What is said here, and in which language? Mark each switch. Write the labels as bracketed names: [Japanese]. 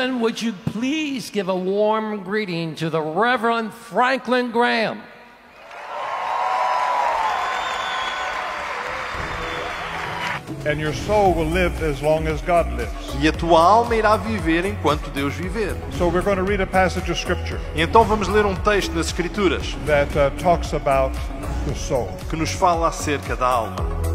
[English] Would you please give a warm greeting to the Reverend Franklin Graham? And your soul will live as long as God lives. [Portuguese] E a tua alma irá viver enquanto Deus viver. [English] So we're going to read a passage of scripture. [Portuguese] E então vamos ler um texto nas escrituras [English] that talks about the soul. [Portuguese] Que nos fala acerca da alma.